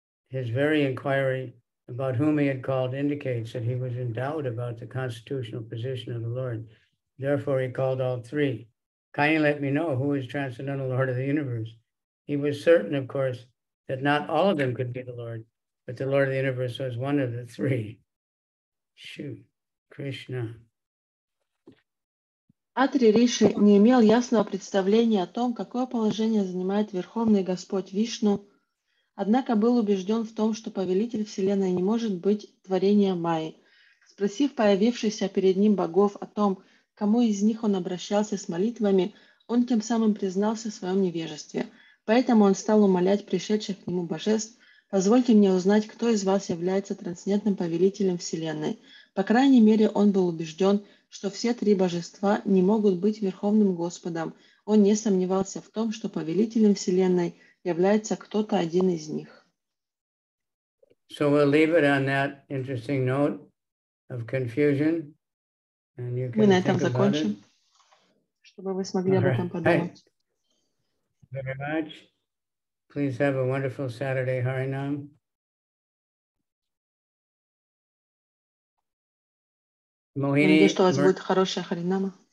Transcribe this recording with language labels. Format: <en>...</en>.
<en>His very inquiry about whom he had called indicates that he was in doubt about the constitutional position of the Lord. Therefore, he called all three. Kindly let me know who is transcendental Lord of the universe. He was certain, of course, that not all of them could be the Lord, but the Lord of the universe was one of the three. Shoot, Krishna.</en> <ru>Атри Риши не имел ясного представления о том, какое положение занимает Верховный Господь Вишну, однако был убежден в том, что повелитель Вселенной не может быть творением Майи. Спросив появившихся перед ним богов о том, к кому из них он обращался с молитвами, он тем самым признался в своем невежестве. Поэтому он стал умолять пришедших к нему божеств: «Позвольте мне узнать, кто из вас является трансцендентным повелителем Вселенной». По крайней мере, он был убежден, что все три божества не могут быть Верховным Господом. Он не сомневался в том, что повелителем Вселенной является кто-то один из них.</ru> <en>So we'll leave it on that interesting note of confusion. And you can</en> <ru>Мы на этом закончим, чтобы вы смогли об этом подумать.</ru> <en>Thank you very much. Please have a wonderful Saturday, Harinam.</en> <ru>Mohini, надеюсь, что у вас будет хорошая харинама.</ru>